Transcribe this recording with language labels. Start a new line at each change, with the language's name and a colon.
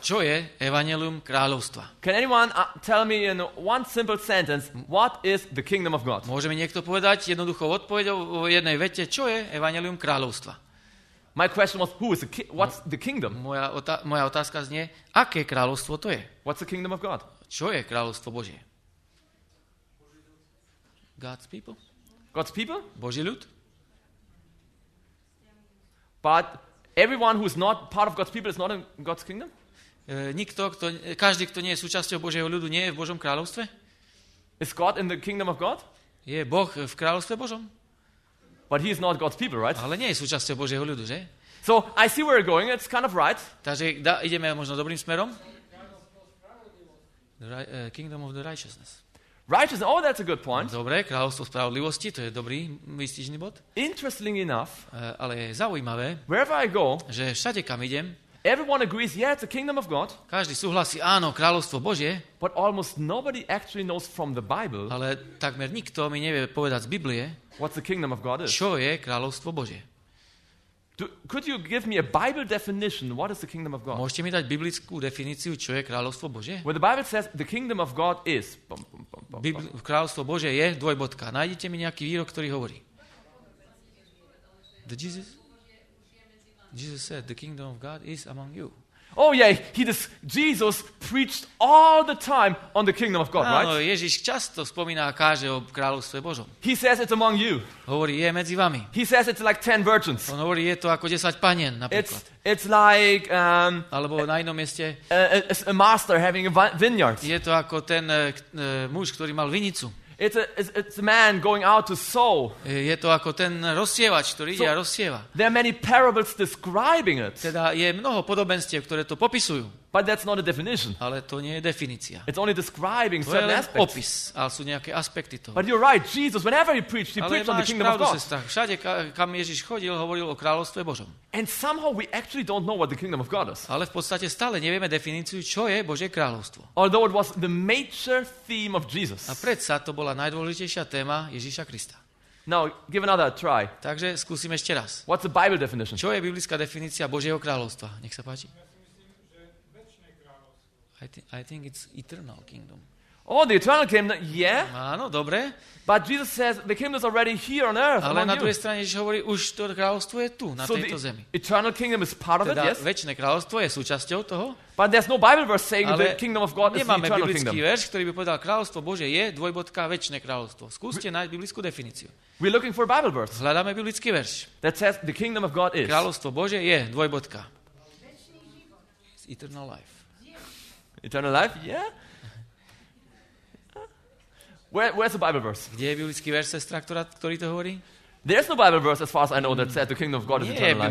Slovak: Čo je evanjelium kráľovstva?
English: Can anyone tell me in one simple sentence what is the kingdom of God?
Slovak: Môže mi niekto povedať jednoduchou odpoveďou v jednej vete, čo je evanjelium kráľovstva?
English: My question was who is the what's the kingdom?
Slovak: Moja otázka znie, aké kráľovstvo to je?
English: What's the kingdom of God?
Slovak: Čo je kráľovstvo Božie?
English: God's people? God's people?
Slovak: Boží ľud?
English: But everyone who is not part of God's people is not in God's kingdom?
Slovak: Každý, kto nie je súčasťou Božieho ľudu, nie je v Božom kráľovstve?
English: Is God in the kingdom of God?
Slovak: Je Boh v kráľovstve Božom?
English: But he is not God's people, right?
Slovak: Ale nie je súčasťou Božieho ľudu, že?
English: So, I see where we're going. It's kind of right.
Slovak: Takže ideme možno dobrým smerom.
English: Kingdom of the righteousness. Righteousness, oh, that's a good point.
Slovak: Dobre, kráľovstvo spravodlivosti, to je dobrý výstižný bod.
English: Interesting enough.
Slovak: Ale je zaujímavé,
English: wherever I go,
Slovak: že všade, kam idem,
English: everyone agrees, yeah, it's the kingdom of God.
Slovak: Každý súhlasí, áno, kráľovstvo Božie.
English: But almost nobody actually knows from the Bible.
Slovak: Ale takmer nikto mi nevie povedať z Biblie.
English: What's the kingdom of God?
Slovak: Čo je kráľovstvo Božie?
English: Could you give me a Bible definition? What is the kingdom of God?
Slovak: Môžete mi dať biblickú definíciu, čo je kráľovstvo Božie?
English: Well, the Bible says the kingdom of God is.
Slovak: Kráľovstvo Božie je dvojbodka. Nájdite mi nejaký výrok, ktorý hovorí.
English: Jesus said the kingdom of God is among you. Oh yeah, Jesus preached all the time on the kingdom of God, right?
Slovak: Áno, Ježiš často spomína a káže o kráľovstve Božom.
English: He says it's among you.
Slovak: Hovorí, je medzi vami.
English: He says it's like 10 virgins.
Slovak: On hovorí, je to ako 10 panien, napríklad.
English: It's like
Slovak: alebo na inom mieste.
English: A master having a vineyard.
Slovak: Je to ako ten muž, ktorý mal vinicu.
English: It's a man going out to sow.
Slovak: Je to ako ten rozsievač, ktorý ide a rozsieva.
English: There are many parables describing it.
Slovak: Teda je mnoho podobenstiev, ktoré to popisujú.
English: But that's not a definition.
Slovak: Ale to nie je definícia.
English: It's only describing certain aspects.
Slovak: To je opis, ale sú nejaké aspekty toho.
English: But you're right, Jesus, whenever he preached, he preached on the kingdom of God.
Slovak: Ale máš pravdu, všade, kam Ježiš chodil, hovoril o kráľovstve Božom.
English: And somehow we actually don't know what the kingdom of God is.
Slovak: Ale v podstate stále nevieme definíciu, čo je Božie kráľovstvo.
English: Although it was the major theme of Jesus.
Slovak: A predsa to bola najdôležitejšia téma Ježiša Krista.
English: Now, give another try.
Slovak: Takže skúsim ešte raz.
English: What's the Bible definition?
Slovak: Čo je biblická definícia Božieho kráľovstva? Nech sa páči.
English: I think it's eternal kingdom. Oh, the eternal kingdom, yeah.
Slovak: Áno, dobre.
English: But Jesus says the kingdom is already here on earth.
Slovak: Ale na druhej strane Ježiš hovorí, už to kráľovstvo je tu, na tejto zemi.
English: Eternal kingdom is part of it, yes.
Slovak: Teda večné kráľovstvo je súčasťou toho.
English: But there's no Bible verse saying the kingdom of God is eternal kingdom.
Slovak: Nemáme biblický verš, ktorý by povedal, kráľovstvo Bože je / večné kráľovstvo. Skúste nájsť biblickú definíciu.
English: We're looking for Bible verse.
Slovak: Hľadáme biblický verš.
English: That says the kingdom of God is.
Slovak: Kráľovstvo Bože je /
English: eternal life. Eternal life? Yeah. Where's the Bible verse?
Slovak: Kde je biblický verš, sestra, ktorý to hovorí?
English: There's no Bible verse as far as I know that said the kingdom of God is eternal life.